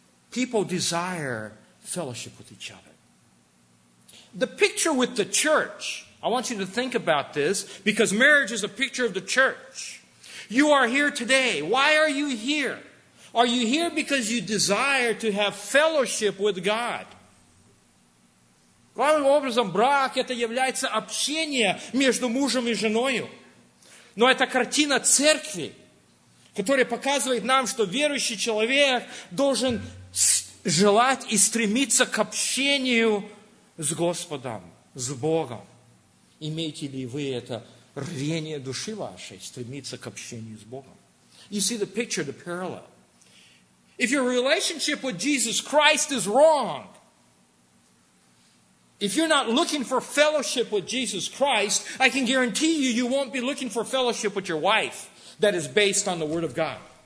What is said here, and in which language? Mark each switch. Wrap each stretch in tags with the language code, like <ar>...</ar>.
<en>People desire fellowship with each other. The picture with the church, I want you to think about this, because marriage is a picture of the church. You are here today. Why are you here? Are you here because you desire to have fellowship with God?</en> <ru>Главным образом, брак – это является общение между мужем и женою. Но это картина церкви, которая показывает нам, что верующий человек должен желать и стремиться к общению с Господом, с Богом. Имеете ли вы это рвение души вашей, стремиться к общению с Богом?</ru> <en>You see the picture, the parallel. If your relationship with Jesus Christ is wrong, if you're not looking for fellowship with Jesus Christ, I can guarantee you, you won't be looking for fellowship with your wife that is based on the Word of God.</en>